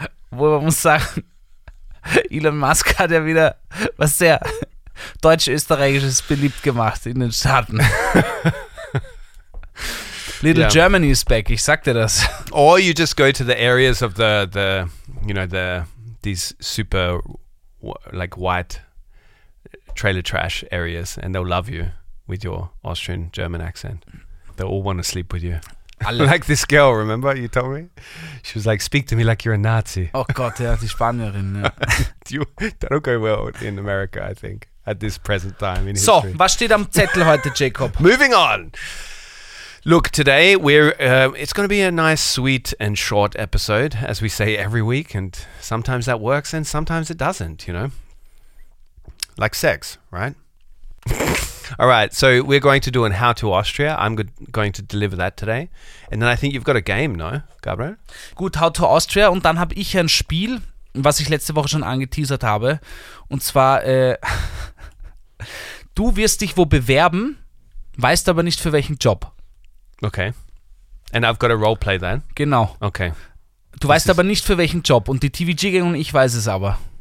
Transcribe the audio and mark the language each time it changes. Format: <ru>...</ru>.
<de>Wo man muss sagen, Elon Musk hat ja wieder was sehr deutsch-österreichisches beliebt gemacht in den Staaten.</de> <en>Little Germany is back,</en> <de>ich sag dir das.</de> <en>Or you just go to the areas of the you know, the these super like white trailer trash areas and they'll love you with your Austrian German accent. They'll all want to sleep with you. Like this girl, remember you told me? She was like, speak to me like you're a Nazi.</en> <de>Oh Gott, ja, die Spanierin, ja.</de> <en>That'll go well in America, I think, at this present time in so, history.</en> <de>So, was steht am Zettel heute, Jacob?</de> <en>Moving on. Look, today it's going to be a nice, sweet and short episode, as we say every week, and sometimes that works and sometimes it doesn't, you know? Like sex, right? All right, so we're going to do an How to Austria. I'm going to deliver that today. And then I think you've got a game, no, Gabriel?</en> <de>Gut, How to Austria. Und dann habe ich ein Spiel, was ich letzte Woche schon angeteasert habe. Und zwar, du wirst dich wo bewerben, weißt aber nicht für welchen Job.</de> <en>Okay. And I've got a roleplay then?</en> <de>Genau.</de> <en>Okay.</en> <de>Du das weißt aber nicht für welchen Job. Und die TVG-Gang und ich weiß es aber.</de>